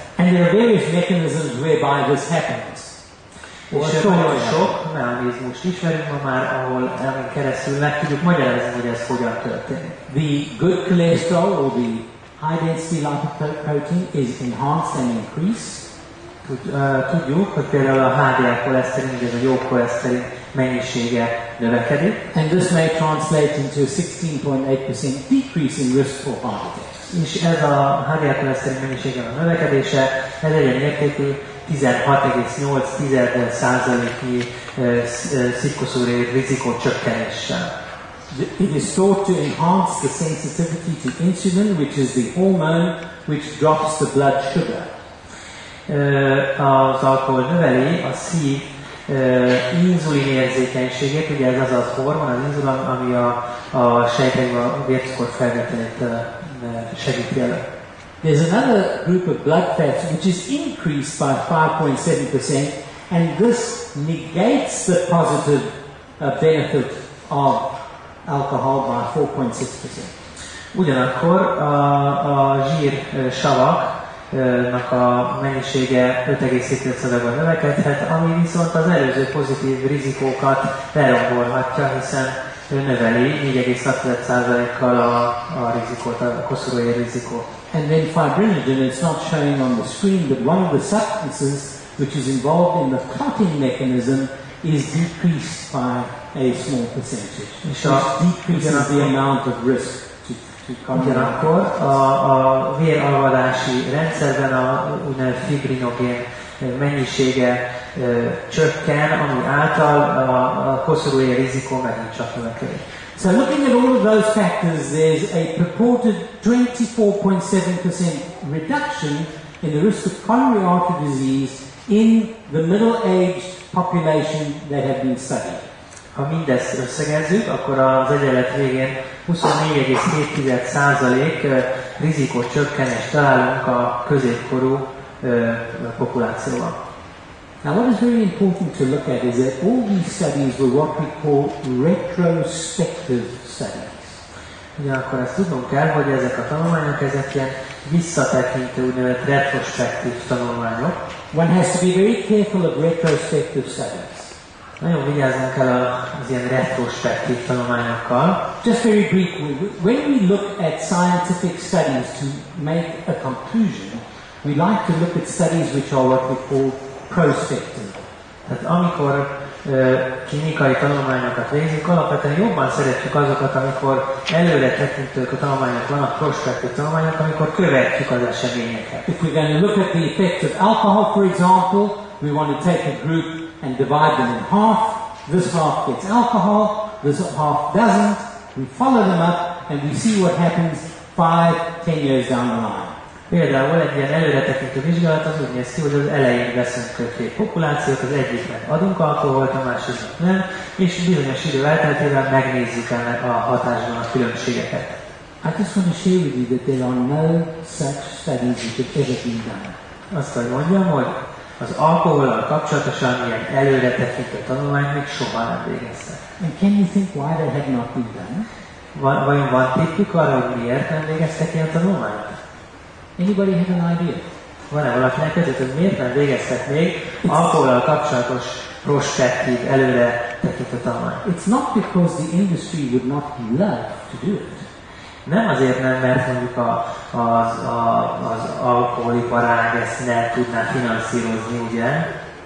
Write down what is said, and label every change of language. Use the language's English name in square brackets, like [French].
[English] And there are various mechanisms whereby this happens. [Hungarian] És nagyon sok mechanizmust ismerünk ma már, ahol ezen keresztül meg tudjuk magyarázni, hogy ez hogyan történik. [English] The good cholesterol, or the high-density lipoprotein, is enhanced and increased. [Hungarian] Tudjuk, hogy például a HDL koleszterin, ugye a jó koleszterin mennyisége növekedik. [English] And this may translate into a 16.8% decrease in risk for heart attacks. [Hungarian] És ez a HDL koleszterin mennyisége a növekedése, ez egy mértékű 16.8%-i szívkoszorúér rizikó csökkenéssel. [English] It is thought to enhance the sensitivity to insulin, which is the hormone which drops the blood sugar. [Hungarian] Az alkohol növeli a szív inzulin érzékenységét, ugye ez az a hormon, az inzulin, ami a sejtekben a vércukor felvételét segíti elő. [English] There's another group of blood fats which is increased by 5.7%, and this negates the positive benefit of alcohol by 4.6%. [Hungarian] Ugyanakkor a zsír savak nak a mennyisége 5,7%-ban növekedhet, ami viszont az előző pozitív rizikókat lerombolhatja, hiszen növeli 4,6%-kal a rizikót, a koszorúi rizikót. [English] And then fibrinogen, it's not showing on the screen, but one of the substances which is involved in the clotting mechanism is decreased by a small percentage. [Hungarian] És [English] a decrease the amount of risk. [Hungarian] Ugyanakkor a véralvadási rendszerben a úgynevezett fibrinogén mennyisége csökken, ami által a koszorúi rizikó megint csak növekedik. [English] So looking at all of those factors, there's a purported 24.7% reduction in the risk of coronary artery disease in the middle-aged population that have been studied. [Hungarian] Ha mindezt összegezzük, akkor az egyenlet végén 24,7% rizikócsökkenés találunk a középkorú populációban. [English] Now what is very important to look at is that all these studies were what we call retrospective studies. [Hungarian] Ugye akkor ezt tudnunk kell, hogy ezek a tanulmányok, ezek ilyen visszatekintő úgynevezett retrospektív tanulmányok. [English] One has to be very careful of retrospective studies. [Hungarian] Nagyon vigyázzunk el az ilyen retrospektív tanulmányokkal. [English] Just very briefly, when we look at scientific studies to make a conclusion, we like to look at studies which are what we call prospective. [Hungarian] Tehát amikor klinikai tanulmányokat végzünk, alapvetően jobban szeretjük azokat, amikor előre tekintők a tanulmányok vannak, prospektív tanulmányok, amikor követjük az eseményeket. [English] If we're going to look at the effects of alcohol, for example, we want to take a group and divide them in half. This half gets alcohol, this half doesn't. We follow them up and we see what happens 5-10 years down the line. [Hungarian] Például egy ilyen előretekintő vizsgálat az úgy néz ki, hogy az elején veszünk két populációt, az egyiknek adunk alkoholt, a másiknak nem, és bizonyos idő elteltével megnézzük ennek a hatásban a különbségeket. [English] I just want to share with you that there are no such studies which have ever been done. [Hungarian] Azt kell mondjam, hogy az alkohollal kapcsolatosan ilyen előretekintő tanulmány még soha nem végeztek. [English] And can you think why they have not been done? [Hungarian] Vajon van tippük arra, hogy miért nem végeztek ilyen tanulmányt? [English] Anybody have an idea? [Hungarian] Van-e valakinek ötlete, hogy miért nem végeztek még alkohollal kapcsolatos prospektív előre tekintő tanulmányt? [English] It's not because the industry would not love to do it. [Hungarian] Nem azért nem, mert mondjuk az alkoholiparág ezt ne tudná finanszírozni, ugye?